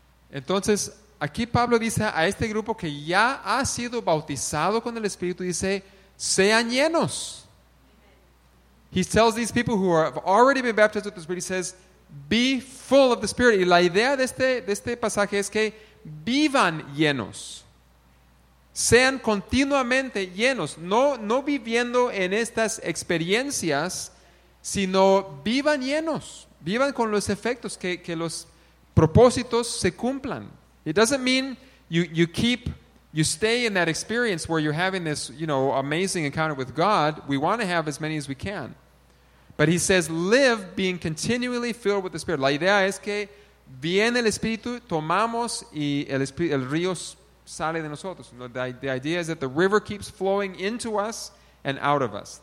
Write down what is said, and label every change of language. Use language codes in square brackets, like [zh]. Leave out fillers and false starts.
[es] Entonces, aquí Pablo dice a este grupo que ya ha sido bautizado con el Espíritu, dice, sean llenos. [en] He tells these people who have already been baptized with the Spirit, he says, be full of the Spirit. [es] Y la idea de este pasaje es que vivan llenos. Sean continuamente llenos. No viviendo en estas experiencias, sino vivan llenos. Vivan con los efectos, que los propósitos se cumplan. [en] It doesn't mean you stay in that experience where you're having this, you know, amazing encounter with God. We want to have as many as we can. But he says, live being continually filled with the Spirit. [es] La idea es que viene el Espíritu, tomamos y el río sale de nosotros. [en] The idea is that the river keeps flowing into us and out of us.